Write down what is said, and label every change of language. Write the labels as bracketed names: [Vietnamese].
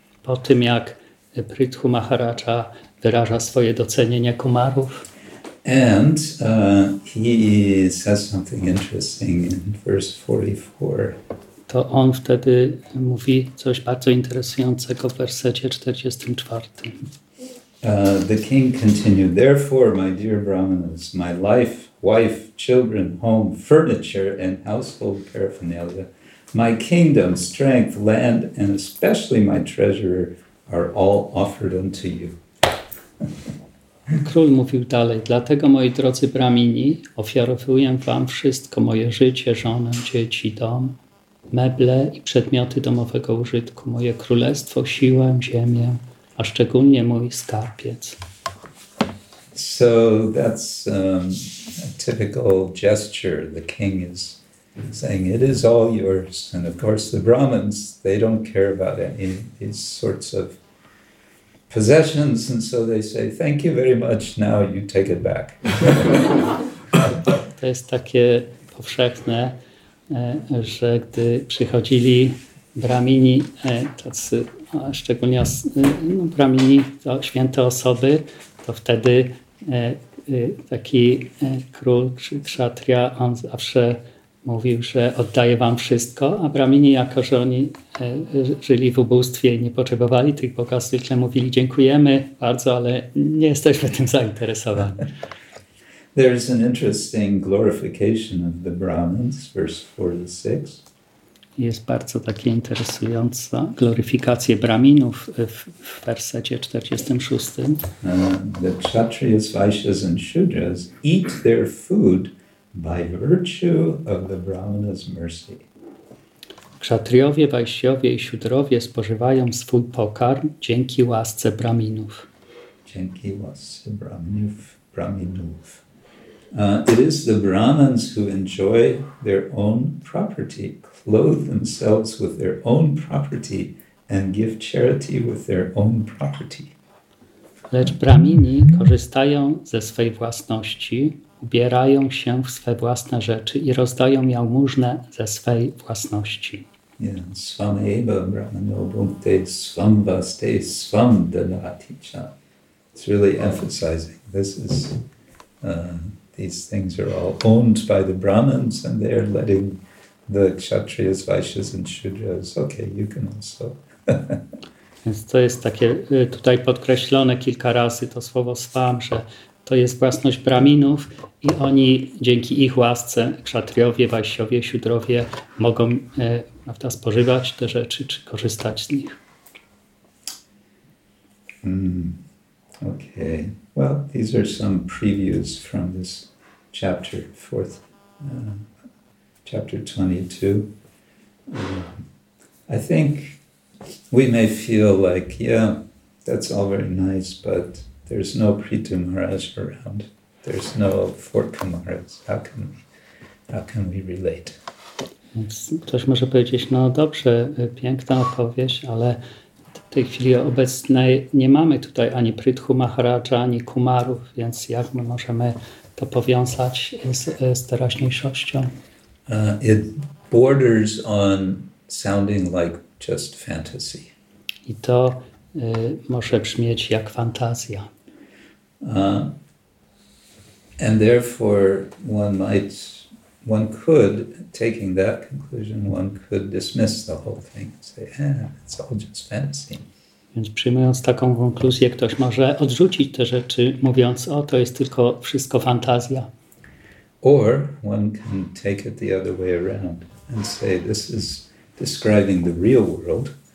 [Polish] Po tym jak Prithu Maharaja wyraża swoje docenienie kumarów. [English] And he says something interesting in verse 44. [Polish] To on wtedy mówi coś bardzo interesującego w wersecie 44. [English] The king continued, therefore, my dear brahmanas, my life, wife, children, home, furniture and household paraphernalia, my kingdom, strength, land and especially my treasurer are all offered unto you. [Polish] Król mówił dalej, dlatego moi drodzy bramini, ofiarowuję wam wszystko, moje życie, żonę, dzieci, dom, meble i przedmioty domowego użytku, moje królestwo, siłę, ziemię, a szczególnie mój skarbiec. [English] So that's a typical gesture. The king is saying, it is all yours. And of course the Brahmins, they don't care about any of these sorts of possessions, and so they say, thank you very much, now you take it back. [Polish] To jest takie powszechne, że gdy przychodzili bramini, tacy, a szczególnie bramini to święte osoby, to wtedy taki król czy kszatria, on zawsze mówił, że oddaję wam wszystko, a bramini, jako że oni żyli w ubóstwie i nie potrzebowali tych bogactw, zwykle mówili, dziękujemy bardzo, ale nie jesteśmy tym zainteresowani. [English] There is an interesting glorification of the Brahmins, verse 4-6. [Polish] Jest bardzo taka interesująca gloryfikacja Brahminów w wersecie 46. [English] The Kshatriyas, Vaishyas and Shudras eat their food by virtue of the Brahmana's mercy. [Polish] Kshatriowie, Vaishyowie i Shudrowie spożywają swój pokarm dzięki łasce Brahminów. Dzięki łasce Brahminów. [English] It is the Brahmins who enjoy their own property, clothe themselves with their own property, and give charity with their own property. [Polish] Lecz Brahmini korzystają ze swej własności, ubierają się w swe własne rzeczy i rozdają jałmużnę ze swej własności. [Sanskrit] Svam eva brahmano bhunte svam vaste svam dadati cha. [English] It's really emphasizing. This is... These things are all owned by the Brahmins and they are letting the Kshatriyas, Vaishyas and Shudras. Okay, you can also. [Polish] Więc to jest takie tutaj podkreślone kilka razy to słowo swam, że to jest własność Brahminów i oni dzięki ich łasce, Kshatriowie, Vaishyowie, Shudrowie mogą prawda, spożywać te rzeczy czy korzystać z nich. [English] Okay. Well, these are some previews from this chapter, chapter 22. I think we may feel like, yeah, that's all very nice, but there's no Prithu Maharaj around. There's no Fort Kumaras. How can we relate? [Polish] Ktoś może powiedzieć, no dobrze, piękna opowieść, ale w tej chwili obecnej nie mamy tutaj ani Prithu Maharaja, ani Kumarów, więc jak my możemy to powiązać z teraźniejszością? [English] It borders on sounding like just fantasy. [Polish] I to może brzmieć jak fantazja. [English] And therefore one could, taking that conclusion, one could dismiss the whole thing and say, it's all just fantasy. [Polish] Więc przyjmując taką konkluzję, ktoś może odrzucić te rzeczy, mówiąc, o, to jest tylko wszystko fantazja. [English] Or one can take it the other way around and say, this is describing the real world.